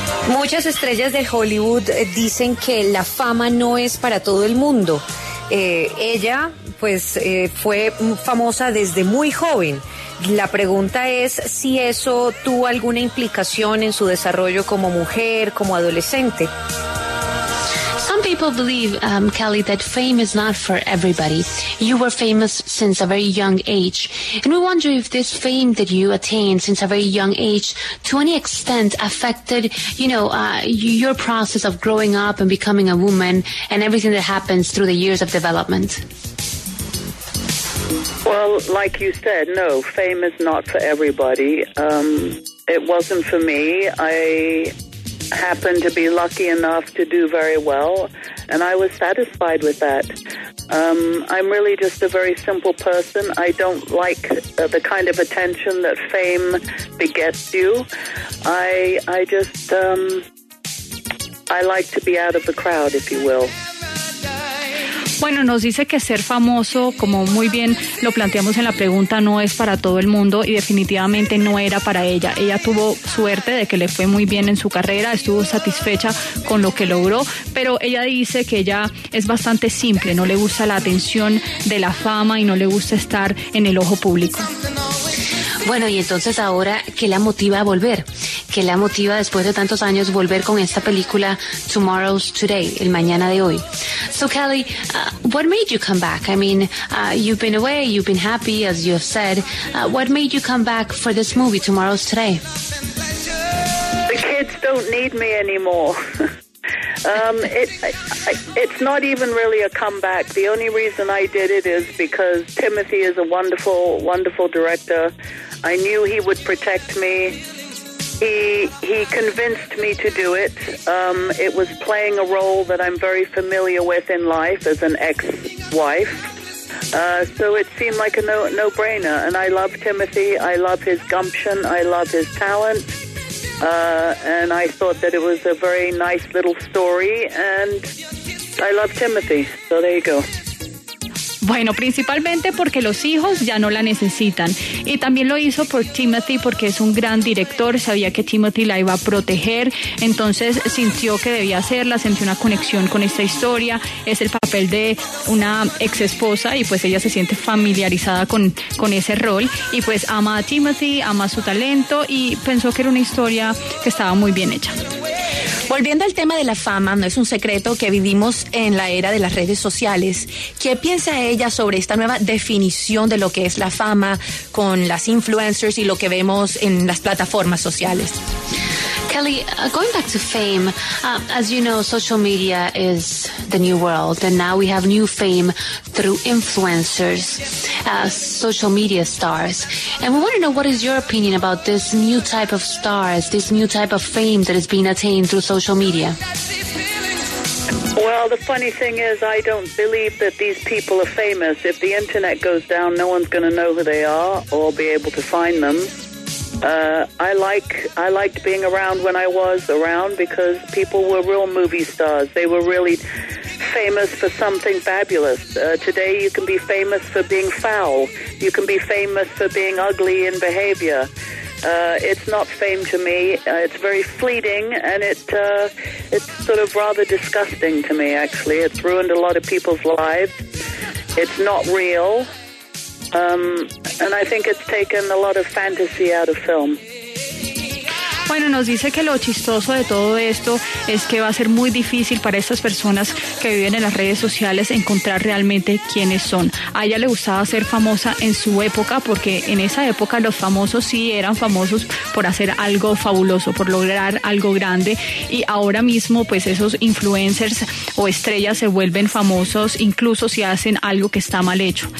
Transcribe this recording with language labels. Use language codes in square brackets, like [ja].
[es] Muchas estrellas de Hollywood dicen que la fama no es para todo el mundo. Ella fue famosa desde muy joven. La pregunta es si eso tuvo alguna implicación en su desarrollo como mujer, como adolescente. [en] People believe, Kelly, that fame is not for everybody. You were famous since a very young age. And we wonder if this fame that you attained since a very young age, to any extent affected, you know, your process of growing up and becoming a woman and everything that happens through the years of development. Well, like you said, no, fame is not for everybody. It wasn't for me. I happened to be lucky enough to do very well, and I was satisfied with that. I'm really just a very simple person. I don't like the kind of attention that fame begets you. I like to be out of the crowd, if you will. [es] Bueno, nos dice que ser famoso, como muy bien lo planteamos en la pregunta, no es para todo el mundo y definitivamente no era para ella. Ella tuvo suerte de que le fue muy bien en su carrera, estuvo satisfecha con lo que logró, pero ella dice que ella es bastante simple, no le gusta la atención de la fama y no le gusta estar en el ojo público. Bueno, y entonces ahora, ¿qué la motiva a volver? ¿Qué la motiva después de tantos años volver con esta película Tomorrow's Today, el mañana de hoy? [en] So Kelly, what made you come back? I mean, you've been away, you've been happy, as you have said. What made you come back for this movie, Tomorrow's Today? The kids don't need me anymore. it's not even really a comeback. The only reason I did it is because Timothy is a wonderful, wonderful director. I knew he would protect me. He convinced me to do it. It was playing a role that I'm very familiar with in life as an ex-wife. So it seemed like a no-brainer. And I love Timothy. I love his gumption. I love his talent. And I thought that it was a very nice little story. And I love Timothy. So there you go. [es] Bueno, principalmente porque los hijos ya no la necesitan. Y también lo hizo por Timothy porque es un gran director, sabía que Timothy la iba a proteger, entonces sintió que debía hacerla, sintió una conexión con esta historia, es el papel de una ex esposa y pues ella se siente familiarizada con ese rol y pues ama a Timothy, ama su talento y pensó que era una historia que estaba muy bien hecha. Volviendo al tema de la fama, no es un secreto que vivimos en la era de las redes sociales. ¿Qué piensa ella sobre esta nueva definición de lo que es la fama con las influencers y lo que vemos en las plataformas sociales? [en] Kelly, going back to fame, as you know, social media is the new world, and now we have new fame through influencers, social media stars. And we want to know, what is your opinion about this new type of stars, this new type of fame that is being attained through social media? Well, the funny thing is, I don't believe that these people are famous. If the internet goes down, no one's going to know who they are or be able to find them. I liked being around when I was around because people were real movie stars. They were really famous for something fabulous. Today you can be famous for being foul. You can be famous for being ugly in behavior. It's not fame to me. It's very fleeting, and it's sort of rather disgusting to me, actually. It's ruined a lot of people's lives. It's not real. And I think it's taken a lot of fantasy out of film. [es] Bueno, nos dice que lo chistoso de todo esto es que va a ser muy difícil para estas personas que viven en las redes sociales encontrar realmente quiénes son. A ella le gustaba ser famosa en su época porque en esa época los famosos sí eran famosos por hacer algo fabuloso, por lograr algo grande, y ahora mismo pues esos influencers o estrellas se vuelven famosos incluso si hacen algo que está mal hecho.